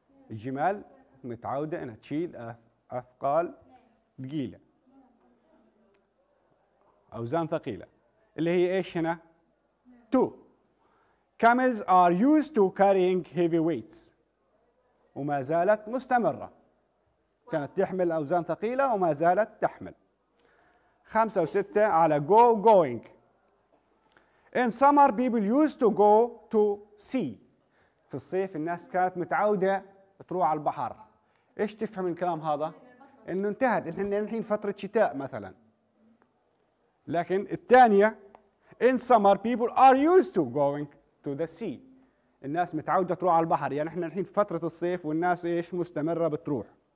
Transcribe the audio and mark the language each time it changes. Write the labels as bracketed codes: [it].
[ar] الجمال متعودة أنها تشيل أثقال ثقيلة، أوزان ثقيلة، اللي هي إيش هنا؟ 2. [en] Camels are used to carrying heavy weights [ar] وما زالت مستمرة، كانت تحمل أوزان ثقيلة وما زالت تحمل. 5 و6 على go going. [en] In summer people used to go to sea. [ar] في الصيف الناس كانت متعودة تروح على البحر. إيش تفهم الكلام هذا؟ إنه انتهت. إحنا الحين فترة شتاء مثلاً. لكن الثانية [en] in summer people are used to going to the sea. [ar] الناس متعودة تروح على البحر. يعني إحنا الحين فترة الصيف والناس إيش مستمرة بتروح.